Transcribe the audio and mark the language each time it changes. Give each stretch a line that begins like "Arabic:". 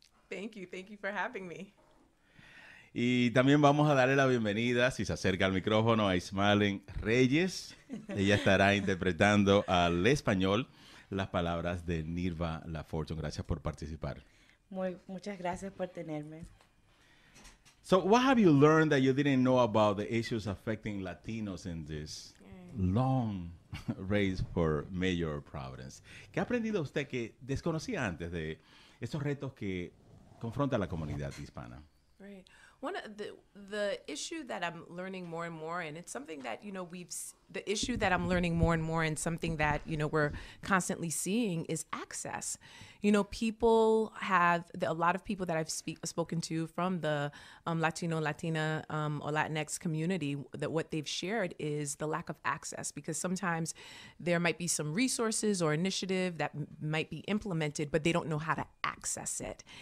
English: Thank you. Thank you for having me.
Spanish: Y también vamos a darle la bienvenida, si se acerca al micrófono, a Ismalen Reyes. Ella estará interpretando al español las palabras de Nirva Lafortune. Gracias por participar. Muchas gracias por tenerme.
English: So, what have you learned that you didn't know about the issues affecting Latinos in this long race for mayor of Providence?
Spanish: ¿Qué ha aprendido usted que desconocía antes de estos retos que confronta la comunidad hispana?
English: Right. One of the issue that I'm learning more and more, and it's something that, you know, and something that, you know, we're constantly seeing is access. You know, people have, a lot of people that I've spoken to from the Latino, Latina, or Latinx community, that what they've shared is the lack of access, because sometimes there might be some resources or initiative that might be implemented, but they don't know how to access it.